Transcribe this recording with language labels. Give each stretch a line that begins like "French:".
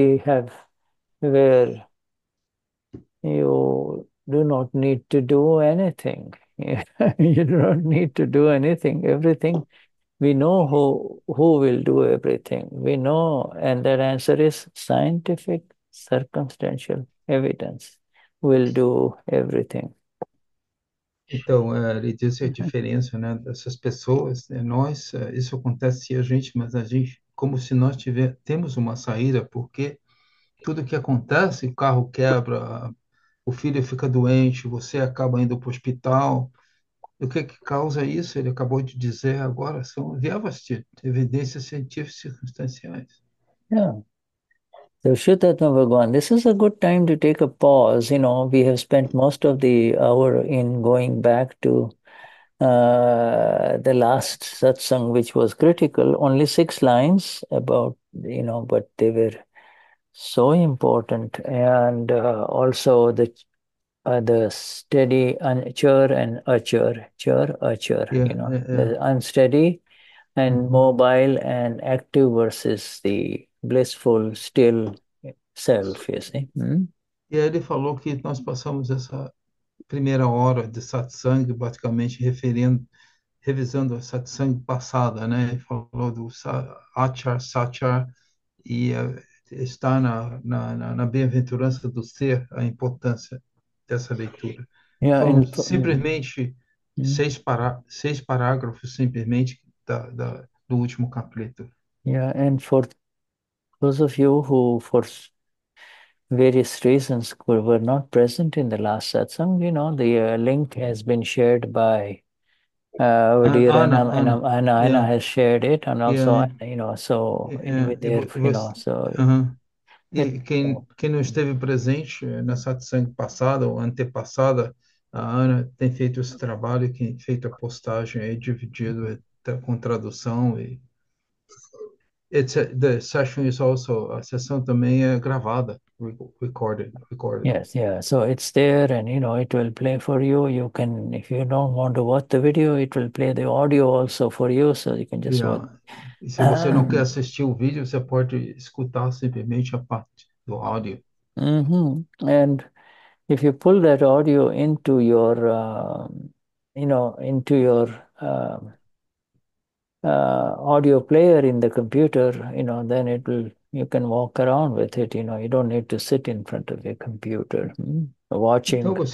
English: We have where you do not need to do anything. You don't need to do anything. Everything, we know who will do everything. We know, and that answer is scientific, circumstantial evidence will do everything.
Portuguese: Então, ele disse a diferença, né, dessas pessoas, né, nós, isso acontece a gente, mas a gente, como se nós temos uma saída, porque tudo que acontece, o carro quebra, o filho fica doente, você acaba indo para o hospital, o que que causa isso? Ele acabou de dizer agora, são vyavasthita, evidências científicas circunstanciais.
English: So, Shuddha Bhagwan, this is a good time to take a pause. We have spent most of the hour in going back to the last satsang, which was critical, only 6 lines about, but they were so important, and also the steady unchur and achur, chur, achur, you know, the unsteady and mobile and active versus the blissful still self, you see.
Portuguese: E aí ele falou que nós passamos essa primeira hora de satsang, basicamente referindo, revisando a satsang passada, né? Ele falou do achar, sachar, e está na bem-aventurança do ser, a importância dessa leitura. Falou simplesmente seis parágrafos, simplesmente, do último capítulo.
English: And for those of you who, for various reasons, were not present in the last satsang, you know, the link has been shared by our dear Ana, Anna has shared it, and also, you know, so in with their, you know, so it.
Portuguese: E quem não esteve presente nessa satsang passada ou antepassada, a Ana tem feito esse trabalho, tem feito a postagem aí, dividido com tradução. E
English: the session is also,
Portuguese: a sessão também é gravada, recorded.
English: So it's there, and you know, it will play for you. You can, if you don't want to watch the video, it will play the audio also for you, so you can just watch.
Portuguese: E se você não quer assistir o vídeo, você pode escutar simplesmente a parte do áudio.
English: And if you pull that audio into your, into your audio player in the computer, you know, then it will. You can walk around with it, you know. You don't need to sit in front of your computer, watching.